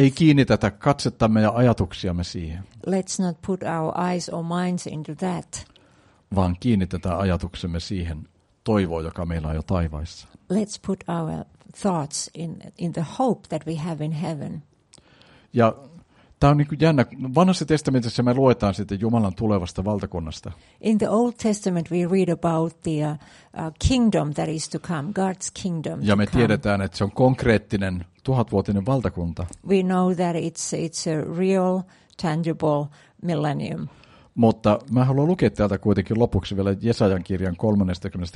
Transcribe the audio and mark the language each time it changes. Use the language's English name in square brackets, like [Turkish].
[Finnish] Ei kiinnitetä katsettamme ja ajatuksiamme siihen. [English] Let's not put our eyes or minds into that. [Finnish] Vaan kiinnitetään ajatuksemme siihen toivoon, joka meillä on jo taivaissa. [English] Let's put our thoughts in the hope that we have in heaven. [Finnish] Ja tämä on niin kuin jännä. Vanhassa testamentissa me luetaan sitten Jumalan tulevasta valtakunnasta. [English] In the Old Testament we read about the kingdom that is to come, God's kingdom. [Finnish] Ja me tiedetään, että se on konkreettinen 1000-vuotinen valtakunta. [English] We know that it's a real, tangible millennium. [Finnish] Mutta mä haluan lukea täältä kuitenkin lopuksi vielä Jesajan kirjan 32.